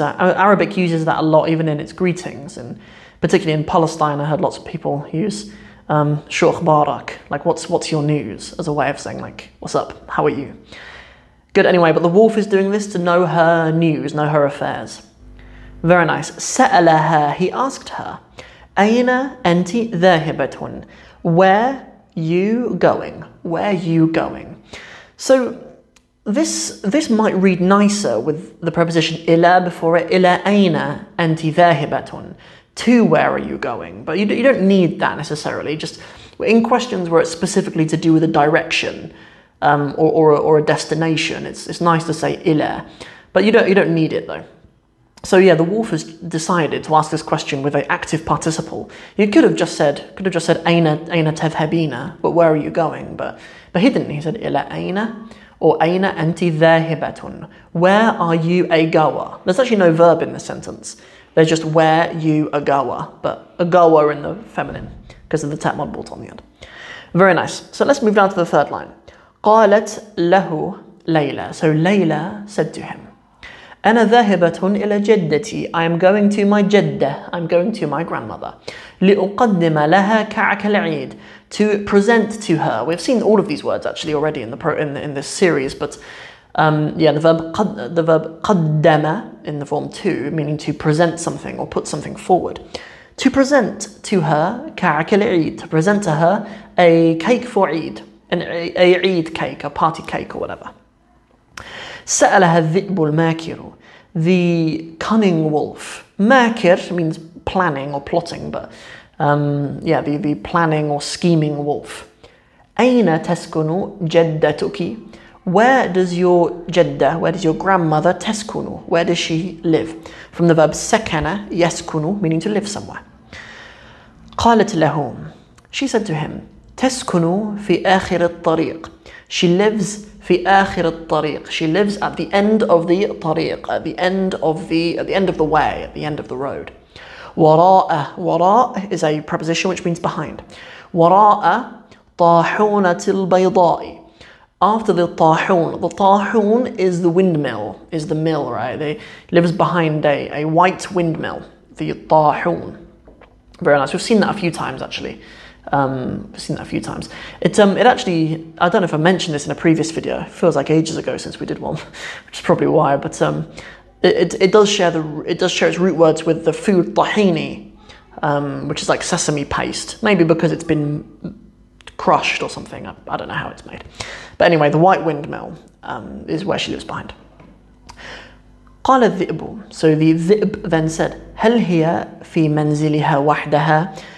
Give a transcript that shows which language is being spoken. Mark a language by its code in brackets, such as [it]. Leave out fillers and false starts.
[en] Arabic uses that a lot, even in its greetings. And particularly in Palestine, I heard lots of people use shu akhbarak, like what's your news, as a way of saying like, what's up? How are you? Good. Anyway, but the wolf is doing this to know her news, know her affairs. Very nice. [ar] سألها, [en] he asked her, [ar] أين أنت ذاهبة? [en] Where you going? Where you going? So This might read nicer with the preposition إلى before it. [ar] إلى أين أنت ذاهبةٌ? [en] To where are you going? But you don't need that necessarily. Just in questions where it's specifically to do with a direction or a destination, it's nice to say إلى. But you don't need it though. So yeah, the wolf has decided to ask this question with an active participle. He could have just said [ar] أين تذهبين? [en] But where are you going? But he didn't. He said [ar] إلى أين. Or أين أنت ذاهبةٌ? [en] Where are you agawa? There's actually no verb in the sentence. There's just where you agawa, but agawa in the feminine because of the tat modbult on the end. Very nice. So let's move down to the third line. [ar] قالت له ليلى. [en] So ليلى said to him, [ar] أنا ذاهبةٌ إلى جدتي. [en] I am going to my جدة. I'm going to my grandmother. [ar] لأقدم لها كعك العيد. [en] To present to her. We've seen all of these words actually already in this series, but yeah, the verb قدم in the form to, meaning to present something or put something forward. To present to her [ar] كعك العيد. [en] To present to her a cake for عيد, an عيد cake, a party cake or whatever. [ar] سألها الذئب الماكر, [en] the cunning wolf. ماكر means planning or plotting, but the planning or scheming wolf. [ar] أين تسكن جدتك? [en] Where does your grandmother تسكن? Where does she live? From the verb سكن, يسكن, meaning to live somewhere. [ar] قالت له, [en] she said to him, [ar] تسكن في آخر الطريق. [en] She lives [ar] في آخر الطريق. [en] She lives at the end of the طريق, at the end of the road. وراء is a preposition which means behind. [ar] وراء طاحونة البيضاء. [en] After the طاحون, the طاحون is the windmill, is the mill, right? It lives behind a white windmill, the طاحون. Very nice. We've seen that a few times actually. I don't know if I mentioned this in a previous video. It feels like ages ago since we did one, which is probably why. But it does share its root words with the food tahini, which is like sesame paste. Maybe because it's been crushed or something. I don't know how it's made. But anyway, the white windmill is where she lives behind. [ar] قال الذئب. [en] So the ذئب then said, [ar] هل هي في منزلها وحدها?